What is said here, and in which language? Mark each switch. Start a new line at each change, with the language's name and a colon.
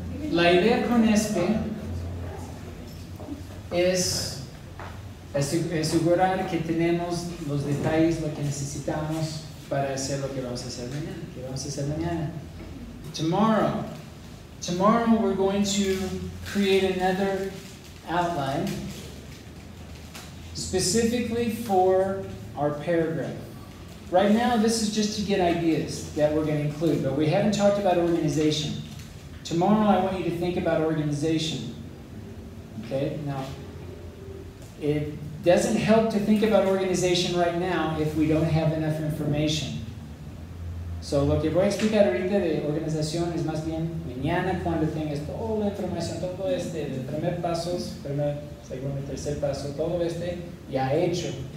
Spanish: La idea con este es asegurar que tenemos los detalles, lo que necesitamos para hacer lo que vamos a hacer mañana.
English: Tomorrow we're going to create another outline specifically for our paragraph. Right now, this is just to get ideas that we're going to include, but we haven't talked about organization. Tomorrow, I want you to think about organization. Okay, now, it doesn't help to think about organization right now if we don't have enough information.
Spanish: So lo que voy a explicar ahorita de organización es más bien mañana cuando tengas toda la información, todo este, el primer paso, primer, segundo, tercer paso, todo este ya hecho.